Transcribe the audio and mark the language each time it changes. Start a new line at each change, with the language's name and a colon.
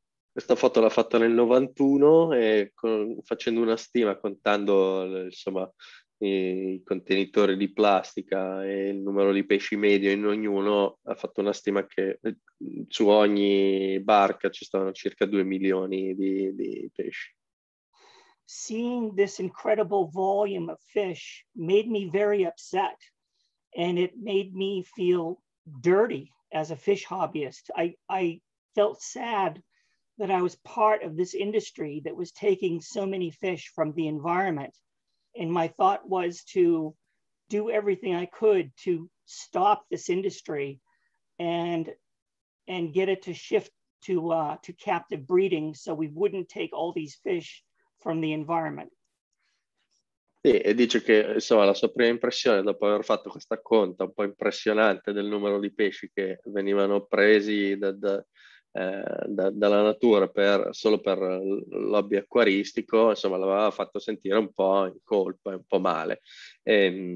Italian: Questa foto l'ha fatta nel 91 e facendo una stima, contando insomma i contenitori di plastica e il numero di pesci medio in ognuno, ha fatto una stima che su ogni barca ci stavano circa 2 milioni di pesci.
English: Seeing this incredible volume of fish made me very upset and it made me feel dirty as a fish hobbyist. I felt sad that I was part of this industry that was taking so many fish from the environment. And my thought was to do everything I could to stop this industry and get it to shift to captive breeding so we wouldn't take all these fish from the environment.
Italian: Sì, e dice che insomma la sua prima impressione dopo aver fatto questa conta un po' impressionante del numero di pesci che venivano presi dalla natura solo per lobby acquaristico, insomma l'aveva fatto sentire un po' in colpa, un po' male, e